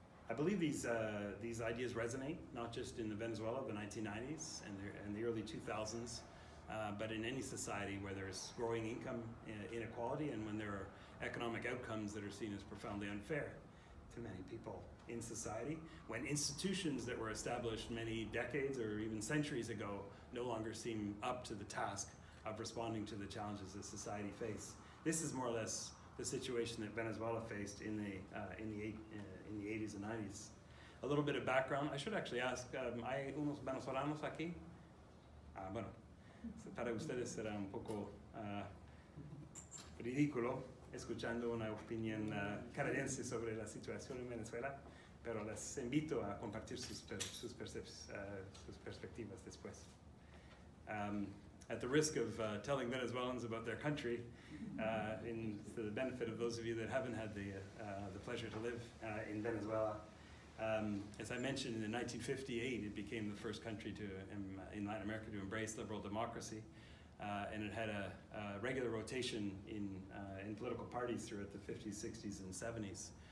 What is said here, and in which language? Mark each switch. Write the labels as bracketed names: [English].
[English] I believe these ideas resonate not just in the Venezuela of the 1990s and the early 2000s, but in any society where there's growing income inequality and when there are economic outcomes that are seen as profoundly unfair to many people in society, when institutions that were established many decades or even centuries ago no longer seem up to the task of responding to the challenges that society face. This is more or less the situation that Venezuela faced in the 80s and 90s. A little bit of background. I should actually ask, [Spanish] ¿hay unos venezolanos aquí? Bueno, para ustedes será un poco ridículo escuchando una opinión canadiense sobre la situación en Venezuela, pero les invito a compartir sus perspectivas después. [English] At the risk of telling Venezuelans about their country, in for the benefit of those of you that haven't had the pleasure to live in Venezuela, as I mentioned, in 1958, it became the first country in Latin America to embrace liberal democracy, and it had a regular rotation in political parties throughout the 50s, 60s, and 70s.